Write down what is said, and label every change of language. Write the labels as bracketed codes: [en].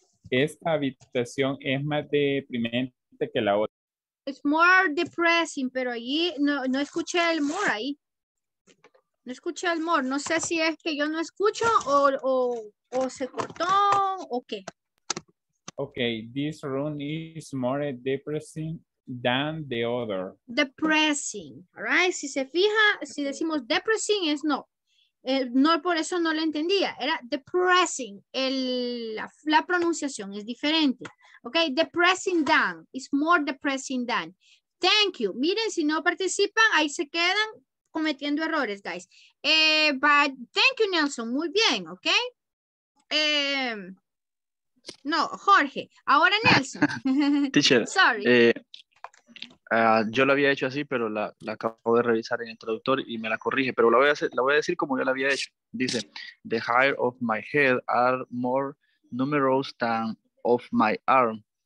[es] Esta habitación es más deprimente que la otra. [en] It's more depressing, [es] pero allí no escuché el more ahí. No escuché el more. No sé si es que yo no escucho o se cortó o qué. [en] Okay, this room is more depressing than the other. Depressing, all right? [es] Si se fija, si decimos depressing es no. No, por eso no lo entendía. Era depressing. La pronunciación es diferente. [en] Okay, depressing than. It's more depressing than. Thank you. [es] Miren, si no participan, ahí se quedan cometiendo errores, guys. [en] But thank you, Nelson. [es] Muy bien, [en] ok. No, Jorge. [es] Ahora Nelson. [en] Teacher. Sorry. [es] Yo lo había hecho así, pero la acabo de revisar en el traductor y me la corrige. Pero la voy a decir como yo la había hecho. [en] Dice, the hair of my head are more numerous than of my arm.